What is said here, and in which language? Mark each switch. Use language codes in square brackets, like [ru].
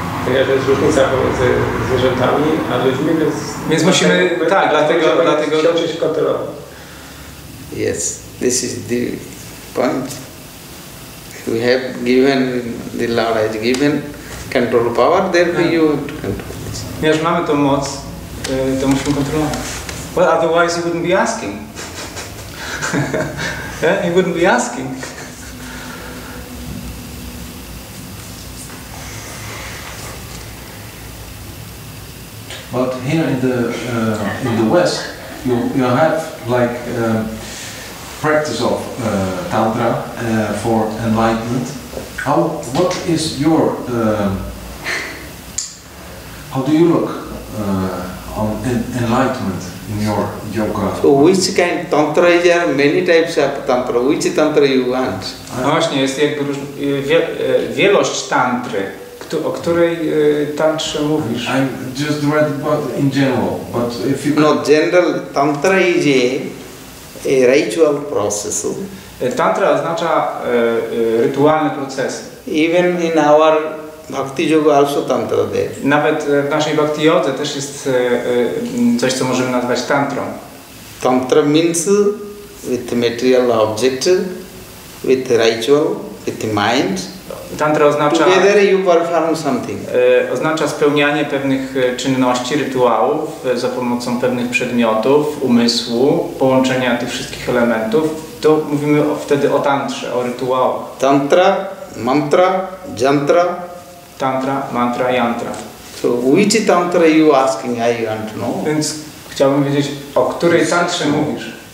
[pl] Jest różnica pomiędzy zwierzętami a ludźmi, więc musimy dlatego nauczyć się kontrolować. [en] Yes, this is the point. We have given, the Lord has given control power, therefore you have to control this. [pl] Ponieważ mamy tą moc, to musimy kontrolować. [en] Well, otherwise you wouldn't be asking. Yeah, you wouldn't be asking. But here in the West, you have like practice of tantra for enlightenment. How do you look on enlightenment in your yoga? So which kind of tantra? There are many types of tantra. Which tantra you want? [pl] Właśnie jest jakby wielość tantry. O której tantrze mówisz? [en] I just read about in general, but if you... No, general, tantra is a ritual process. [pl] Tantra oznacza rytualny proces. [en] Even in our bhakti yoga also tantra there. [pl] Nawet w naszej bhakti yodze też jest coś, co możemy nazwać tantrą. [en] Tantra means with material object, with ritual, with mind. [pl] Tantra oznacza, [en] together you perform something. [pl] Oznacza spełnianie pewnych czynności, rytuałów za pomocą pewnych przedmiotów, umysłu, połączenia tych wszystkich elementów. To mówimy wtedy o tantrze, o rytuałach. [en] Tantra, mantra, jantra. [pl] Tantra, mantra, jantra. [en] So which tantra you asking, I want to know. [pl] Więc chciałbym wiedzieć, o której tantrze mówisz?